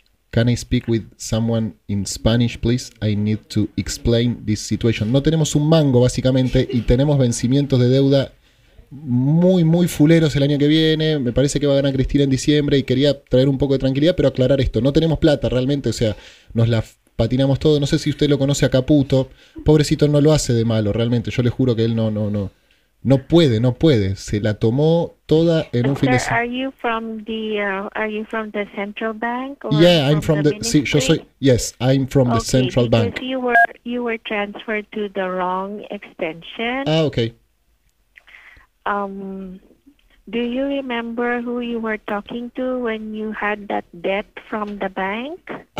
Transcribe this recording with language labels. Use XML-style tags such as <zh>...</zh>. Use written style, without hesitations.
<en>Can I speak with someone in Spanish, please? I need to explain this situation.</en> <es>No tenemos un mango, básicamente, y tenemos vencimientos de deuda muy, muy fuleros el año que viene. Me parece que va a ganar Cristina en diciembre y quería traer un poco de tranquilidad, pero aclarar esto. No tenemos plata, realmente, o sea, nos la patinamos todo. No sé si usted lo conoce a Caputo. Pobrecito, no lo hace de malo, realmente. Yo le juro que él no No puede, no puede. Se la tomó toda en un fin de semana.</es> <en>Are you from the Are you from the central bank? Or yeah, I'm from the.</en> <es>Sí, yo soy.</es> <en>Yes, I'm from the central bank. Okay, you were transferred to the wrong extension. Ah, okay. Do you remember who you were talking to when you had that debt from the bank?</en>